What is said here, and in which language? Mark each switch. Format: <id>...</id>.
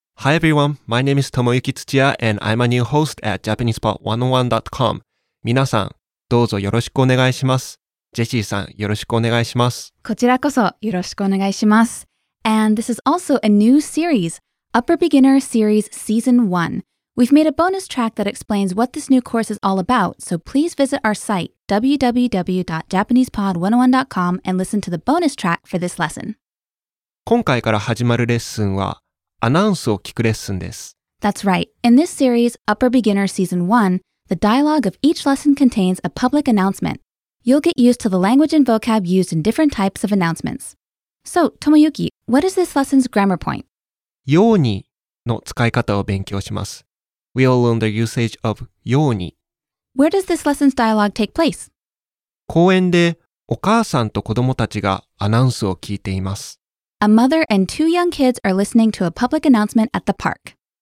<en>Hi everyone, my name is Tomoyuki Tsuchiya and I'm a new host at japanesepod101.com.</en> <ja>みなさん、どうぞよろしくお願いします。ジェシーさん、よろしくお願いします。こちらこそよろしくお願いします。</ja> <en>And this is also a new series, Upper Beginner Series Season 1. We've made a bonus track that explains what this new course is all about, so please visit our site, www.japanesepod101.com, and listen to the bonus track for this lesson.</en> <ja>今回から始まるレッスンは、アナウンスを聞くレッスンです。</ja> <en>That's right. In this series, Upper Beginner Season 1, the dialogue of each lesson contains a public announcement. You'll get used to the language and vocab used in different types of announcements. So, Tomoyuki, what is this lesson's grammar point?</en> <ja>yōni の使い方を勉強します。</ja> <en>We'll learn the usage of yōni. Where does this lesson's dialogue take place?</en> <ja>公園でお母さんと子供たちがアナウンスを聞いています。</ja> <en>A mother and two young kids are listening to a public announcement at the park.</en>